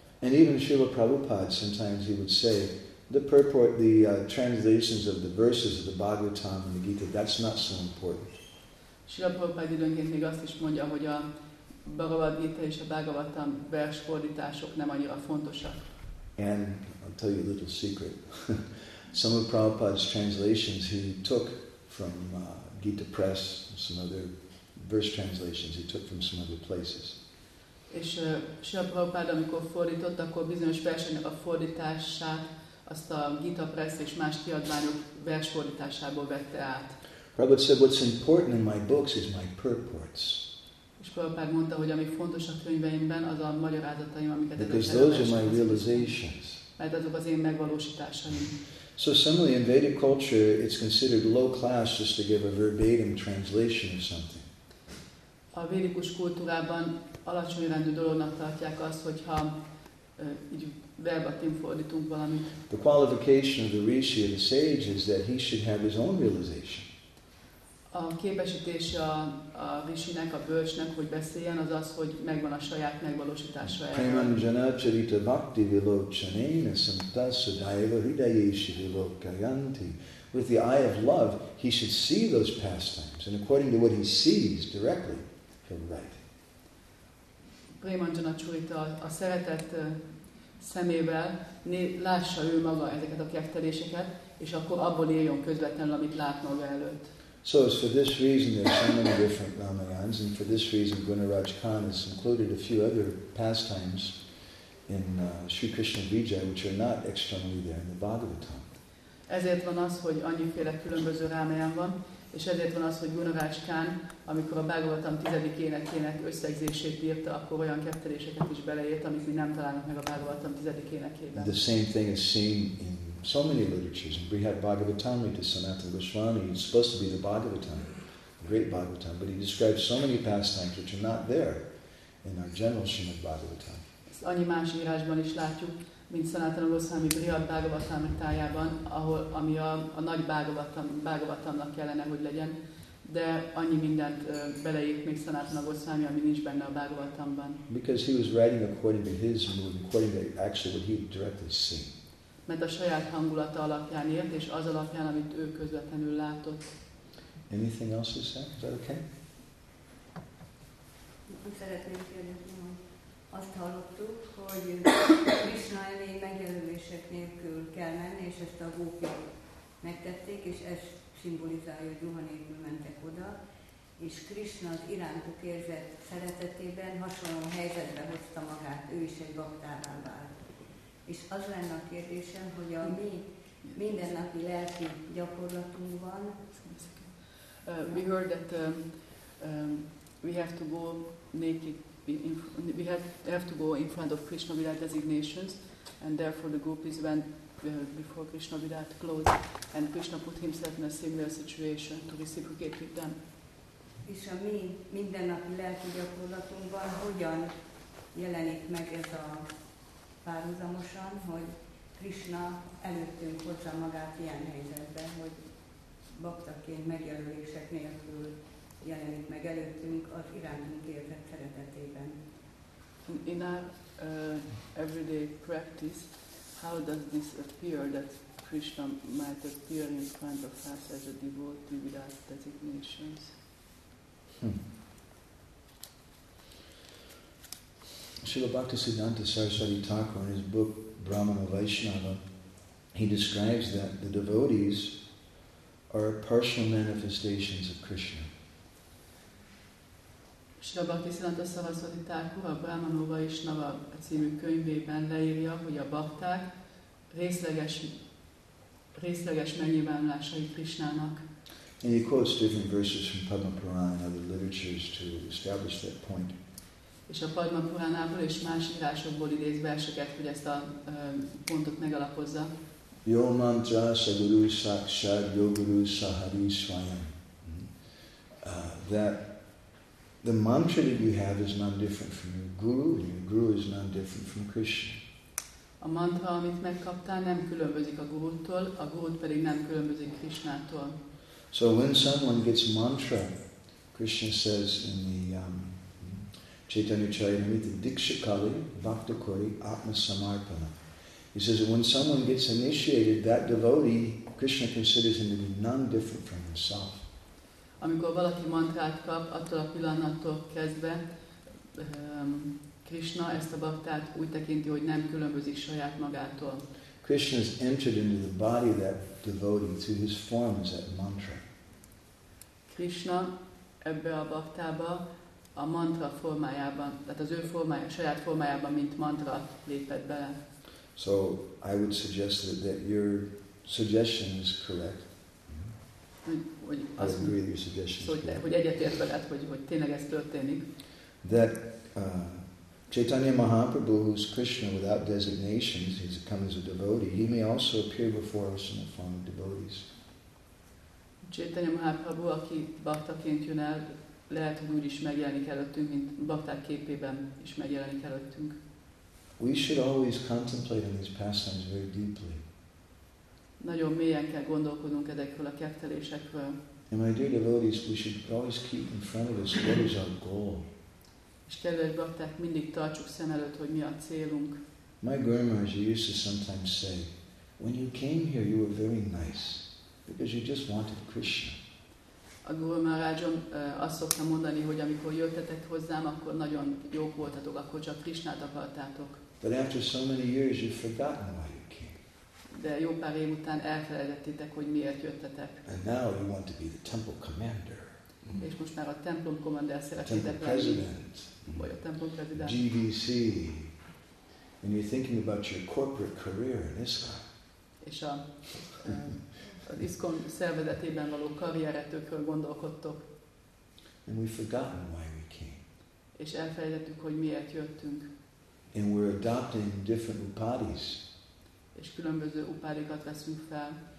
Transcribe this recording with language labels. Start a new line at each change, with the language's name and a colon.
English: And even Srila Prabhupada, sometimes he would say, translations of the verses of the Bhagavatam and the Gita, that's not so important.
Hungarian: Srila Prabhupada időnként még azt is mondja, hogy a Bhagavad Gita és a Bhagavatam versfordítások nem annyira fontosak.
English: And I'll tell you a little secret. Some of Prabhupada's translations he took from Gita Press, some other verse translations he took from some other places.
Hungarian: És Srila Prabhupada, amikor fordított, akkor bizonyos verseknek a fordítását azt a Gita Press és más kiadványok versfordításából vette át.
English: Prabhupada said, what's important in my books is my purports.
Hungarian: És Prabhupada mondta, hogy ami fontos a könyveimben, az a magyarázataim, amiket ezeket
English: Because those are my realizations.
Hungarian: Mert azok az én megvalósításaim.
English: So similarly, in Vedic culture, it's considered low class just to give a verbatim translation of something.
Hungarian: A védikus kultúrában alacsony rendű dolognak tartják azt, hogyha így verbatim fordítunk valamit.
English: The qualification of the rishi and the sage is that he should have his own realization.
Hungarian: A képesítése a rishinek, a bölcsnek, hogy beszéljen, az az, hogy megvan a saját megvalósítása.
Sanskrit: Premanjana charita bhakti vilocchanena samtasudhaiva hridayeshu vilokayanti.
English: With the eye of love, he should see those pastimes, and according to what he sees directly, he'll write.
Hungarian: Prémanjana Csurita a szeretett szemével lássa ő maga ezeket a kefteléseket, és akkor abból írjon közvetlenül, amit lát maga előtt.
English: So it's for this reason there's so many different Ramayans, and for this reason Gunaraj Khan has included a few other pastimes in Sri Krishna Vijaya, which are not externally there in the Bhagavatam.
Hungarian: Ezért van az, hogy annyiféle különböző Ramayan van, és ezért van az, hogy Gunaraj Khan, amikor a Bhagavatam 10. énekének összegzését írta, akkor olyan ketteléseket is beleírt, amit mi nem találunk meg a Bhagavatam 10. énekében.
English: The same thing is seen in so many literatures, and Brihat Bhagavatamrita Sanatana Goswami, he's supposed to be the Bhagavatam, the great Bhagavatam, but he describes so many pastimes which are not there in our general Srimad Bhagavatam.
Hungarian: Ezt annyi más írásban is látjuk, mint Sanatana Goswami Brihat Bhagavatamritájában, ami a nagy Bhagavatamnak kellene, hogy legyen, de annyi mindent beleírt még Sanatana Goswami, ami nincs benne a Bhagavatamban.
English: Because he was writing according to his mood, according to actually what he directly seen.
Hungarian: Mert a saját hangulata alapján írt, és az alapján, amit ő közvetlenül látott.
English: Anything else to say? Is that okay?
Hungarian: Szeretnék kérdezni, hogy azt hallottuk, hogy Krisna elé megjelölések nélkül kell menni, és ezt a gópik megtették, és ez szimbolizálja, hogy ruha nélkül mentek oda, és Krisna az irántuk érzett szeretetében hasonló helyzetbe hozta magát, ő is egy baktává vált. És az lenne a kérdésem, hogy a mi mindennapi lelki gyakorlatunkban...
English: We heard that we have to go naked, we have to go in front of Krishna Vidya designations, and therefore the gopis went before Krishna Vidya to close, and Krishna put himself in a similar situation to reciprocate with them.
Hungarian: És a mi mindennapi lelki gyakorlatunkban hogyan jelenik meg ez a... párhuzamosan, hogy Krishna előttünk hozza magát ilyen helyzetben, hogy baktaként megjelölések nélkül jelenik meg előttünk az irántunk érzett szeretetében.
English: In our everyday practice, how does this appear that Krishna might appear in front of us as a devotee without designations? Srila Bhaktisiddhanta Saraswati Thakur, in his book Brahmana Vaishnava, he describes that the devotees are partial manifestations of Krishna.
Hungarian: Srila Bhaktisiddhanta Saraswati Thakur a Brahmana Vaishnava című könyvében leírja, hogy a bhakták részleges megnyilvánulásai Krishnának.
English: And he quotes different verses from Padma Purana and other literatures to establish that point.
Hungarian: És a Padma Puránából és más írásokból idéz verseket, hogy ezt a pontot megalapozza.
Sanskrit: Yo mantra saguru sakshad yoguru sahari swayam.
English: That the mantra that you have is none different from your guru, and your guru is none different from Krishna.
Hungarian: A mantra, amit megkaptál, nem különbözik a gurutól, a gurut pedig nem különbözik Krishnától.
English: So when someone gets mantra, Krishna says in the Chaitanya Charitamrita
Bangla: Dikshakali Bhaktakori Atma Samarpana.
English: He says that when someone gets initiated, that devotee, Krishna considers him to be none different from himself.
Hungarian: Amikor valaki mantrát kap, attól a pillanattól kezdve Krishna ezt a baktát úgy tekinti, hogy nem különbözik saját magától.
English: Krishna has entered into the body of that devotee through his form as that mantra.
Hungarian: Krishna ebbe a baktába a mantra formájában, tehát az ő formája, saját formájában, mint mantra lépett bele.
English: So I would suggest that your suggestion is correct.
Hungarian: Hogy
English: I agree with your suggestion.
Hungarian: Hogy egyetért veled, hogy tényleg ez történik.
English: That Chaitanya Mahaprabhu, who's Krishna without designations, he's come as a devotee, he may also appear before us in the form of devotees.
Hungarian: Chaitanya Mahaprabhu, aki bhaktaként jön el, lehet, hogy úgy is megjelenik előttünk, mint bakták képében is megjelenik előttünk.
English: We should always contemplate on these pastimes very deeply.
Hungarian: Nagyon mélyen kell gondolkodnunk ezekről a keftelésekről.
English: And my dear devotees, we should always keep in front of us what is our goal.
Hungarian: És kedves bakták, mindig tartsuk szem előtt, hogy mi a célunk.
English: My grandmother used to sometimes say, when you came here, you were very nice, because you just wanted Krishna.
Hungarian: a Guru Maharajom azt szoktam mondani, hogy amikor jöttetek hozzám, akkor nagyon jók voltatok, akkor csak Krisnát akartátok.
English: But after so many years, you've forgotten why you came.
Hungarian: De jó pár év után elfelejtettétek, hogy miért jöttetek.
English: And now you want to be the temple commander.
Hungarian: És most már a templom kommandér szeretnétek lenni.
English: Temple president.
Hungarian: Vagy a templom prezident.
English: GVC. And you're thinking about your corporate career in ISKCON.
Hungarian: És a az ISKCON szervezetében való karrieretőkről gondolkodtok.
English: And we've forgotten why we came.
Hungarian: És elfelejtettük, hogy miért jöttünk.
English: And we're adopting different upadis.
Hungarian: És különböző upadikat veszünk fel.